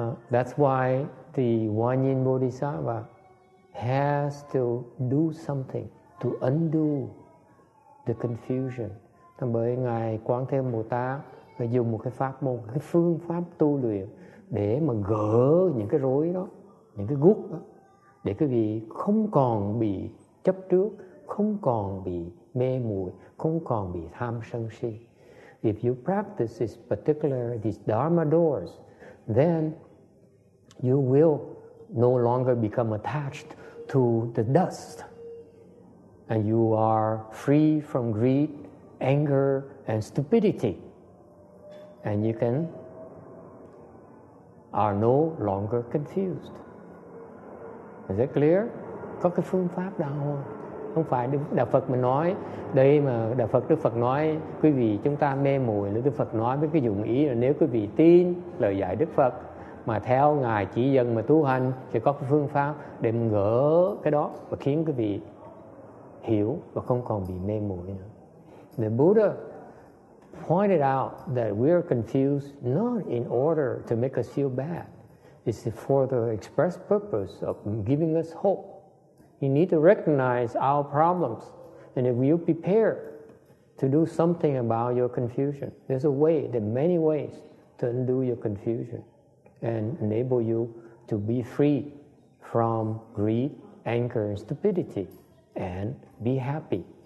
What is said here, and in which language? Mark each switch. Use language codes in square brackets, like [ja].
[en] That's why the One Yin Bodhisattva has to do something to undo the confusion. [vi] Bởi Ngài Quán Thế Âm Bồ Tát dùng một cái pháp môn, cái phương pháp tu luyện để mà gỡ những cái rối đó, những cái guốc đó, để quý vị không còn bị chấp trước, không còn bị mê muội, không còn bị tham sân si. [en] If you practice this particular, these Dharma doors, then you will no longer become attached to the dust. And you are free from greed, anger, and stupidity. And you are no longer confused. Is that clear? [vi] Có cái phương pháp nào không? Không phải Đạo Phật mình nói đây mà Đạo Phật Đức Phật nói quý vị chúng ta mê muội, Đức Phật nói với cái dụng ý là nếu quý vị tin lời dạy Đức Phật mà theo Ngài chỉ dân mà tu hành thì có cái phương pháp để mình gỡ cái đó và khiến quý vị hiểu và không còn bị mê muội nữa. [en] The Buddha pointed out that we are confused not in order to make us feel bad. It's for the express purpose of giving us hope. You need to recognize our problems. And if you prepare to do something about your confusion, there's a way, there are many ways to undo your confusion and enable you to be free from greed, anger, and stupidity and be happy.